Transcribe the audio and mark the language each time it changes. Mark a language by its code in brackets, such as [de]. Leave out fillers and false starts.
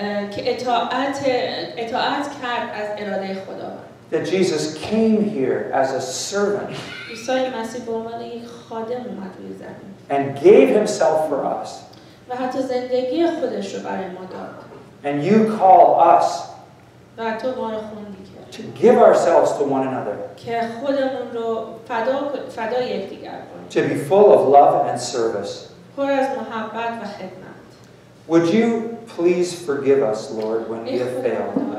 [fa] که اطاعت کرد از اراده خدا. [en] That Jesus came here as a servant. [fa] عیسی مسیح به عنوان یک خادم اومد روی زمین. [en] And gave himself for us. [fa] و حتی زندگی خودش رو برای ما داد. [en] And you call us. [fa] و تو ما رو خوندی که. [en] To give ourselves to one another. [fa] که خودمون رو فدا یکدیگر کنیم. [en] To be full of love and service. [fa] پر از محبت و خدمت. [en] Would you please forgive us, Lord, when we have failed?